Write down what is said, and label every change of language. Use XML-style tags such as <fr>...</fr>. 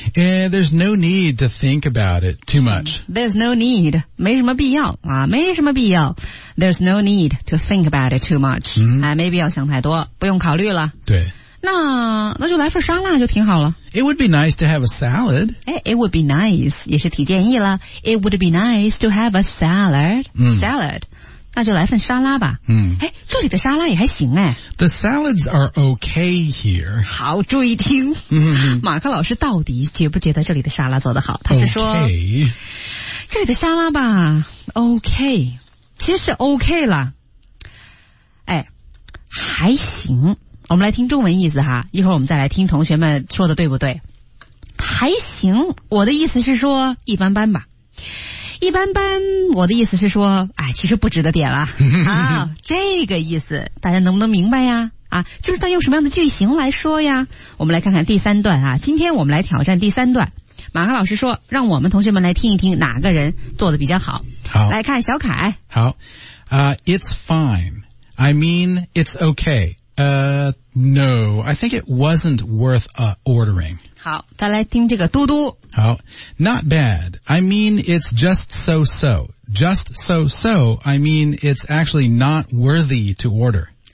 <en>Yeah, there's no need to think about it too much. There's no need.</en> <zh>没什么必要啊，没什么必要。</zh> <en>There's no need to think about it too much.</en> <zh>没必要想太多，不用考虑了。对。那就来份沙拉就挺好了。</zh> <en>It would be nice to have a salad. It would be nice,</en> <zh>也是提建议了。</zh> <en>It would be nice to have a salad.</en> <zh>Salad. 那就来份沙拉吧。这里的沙拉也还行哎。</zh> <en>The salads are okay here.</en> <zh>好，注意听。马克老师到底觉不觉得这里的沙拉做得好？他是说，</zh> <en>okay.</en> <zh>这里的沙拉吧 ，OK， 其实是 OK 了。哎，还行。我们来听中文意思哈，一会儿我们再来听同学们说的对不对？还行，我的意思是说一般般吧。一般般我的意思是说哎，其实不值得点了啊，这个意思大家能不能明白呀啊，就是他用什么样的句型来说呀我们来看看第三段啊，今天我们来挑战第三段马克老师说让我们同学们来听一听哪个人做的比较好好来看小凯</zh> <en>好It's fine I mean it's okay No I think it wasn't worth ordering</en> <zh>好再来听这个嘟嘟</zh> <en>好 Not bad I mean it's just so-so Just so-so I mean it's actually not worthy to order</en>